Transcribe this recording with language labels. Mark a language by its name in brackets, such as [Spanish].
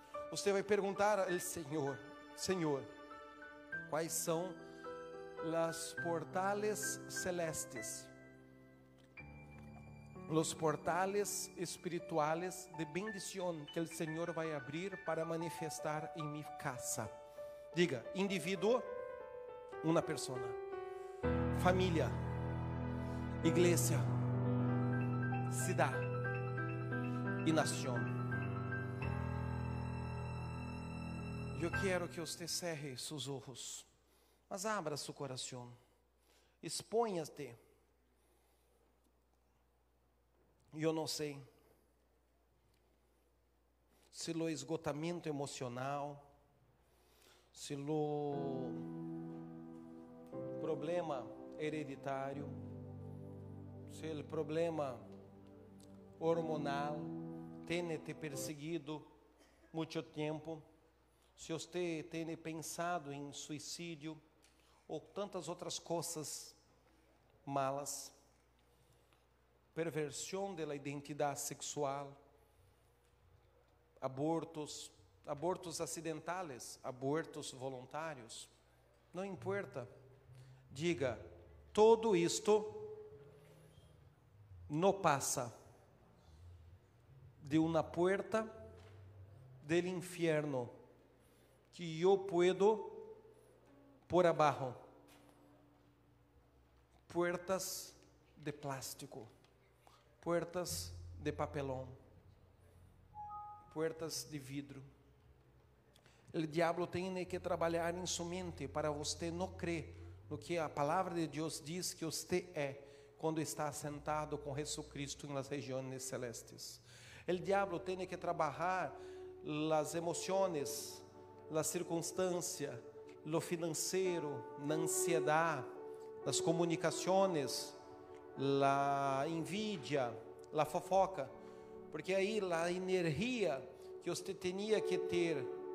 [Portuguese] Você vai perguntar ao Senhor: Senhor, quais são as [Spanish] portales celestes, os portales [Portuguese] espirituais de bendição que o Senhor vai abrir para manifestar em minha casa? Diga, indivíduo, uma pessoa, família, [Spanish] iglesia, ciudad y nación. Yo quiero que usted cierre sus ojos, mas abra su corazón. [Portuguese] Exponha-te. Eu não sei se o esgotamento emocional, se o problema hereditário, se o problema hormonal tem te perseguido muito tempo, se você tem pensado em suicídio ou tantas outras coisas [Spanish] malas, [Portuguese] perversão da identidade sexual, abortos, abortos acidentais, abortos voluntários, não importa, diga, todo isto não passa de uma porta do inferno que eu [Spanish] puedo por [Portuguese] abaixo. [Spanish] Puertas de plástico, puertas de papelón, [Portuguese] puertas de vidro. O diabo tem que trabalhar em sua mente para você não crer no que a palavra de Deus diz que você é quando está sentado com Jesus Cristo nas regiões celestes. O diabo tem que trabalhar as emoções, a circunstância, o financeiro, a ansiedade, as comunicações, a envidia, a fofoca, porque aí a energia que você tinha que ter